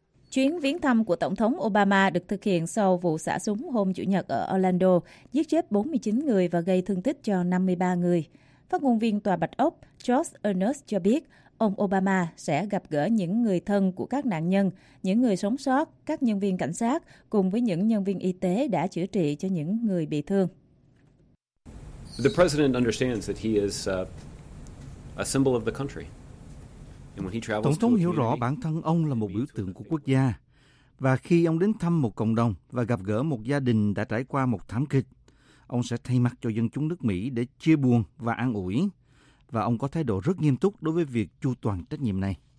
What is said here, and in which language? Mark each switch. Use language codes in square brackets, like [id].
[vi] Chuyến viếng thăm của Tổng thống Obama được thực hiện sau vụ xả súng hôm Chủ nhật ở Orlando, giết chết 49 người và gây thương tích cho 53 người. Phát ngôn viên Tòa Bạch Ốc George Earnest cho biết, ông Obama sẽ gặp gỡ những người thân của các nạn nhân, những người sống sót, các nhân viên cảnh sát, cùng với những nhân viên y tế đã chữa trị cho những người bị thương. [en] The president understands that he is a symbol of the country. [vi] Tổng thống hiểu rõ bản thân ông là một biểu tượng của quốc gia. Và khi ông đến thăm một cộng đồng và gặp gỡ một gia đình đã trải qua một thảm kịch, ông sẽ thay mặt cho dân chúng nước Mỹ để chia buồn và an ủi. Và ông có thái độ rất nghiêm túc đối với việc chu toàn trách nhiệm này.